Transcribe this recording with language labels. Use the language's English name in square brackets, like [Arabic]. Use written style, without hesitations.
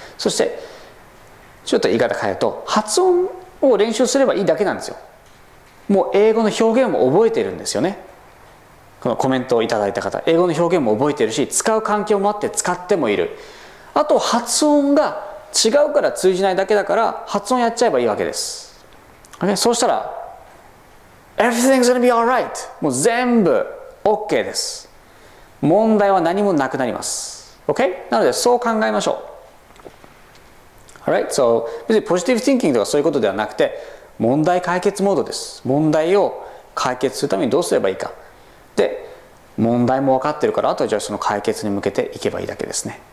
[Japanese] そしてちょっと言い方変えると、発音を練習すればいいだけなんですよ。もう英語の表現も覚えてるんですよね。このコメントをいただいた方、英語の表現も覚えてるし、使う環境もあって使ってもいる。あと発音が違うから通じないだけだから、発音やっちゃえばいいわけです。 [English] OK? そうしたらEverything's gonna be alright. [Japanese] もう全部 OK です。問題は何もなくなります。 [English] OK? [Japanese] なのでそう考えましょう。Alright? So, 別にポジティブ・ティンキングとかそういうことではなくて、問題解決モードです。問題を解決するためにどうすればいいか。で、問題も分かってるから、あとはじゃあその解決に向けていけばいいだけですね。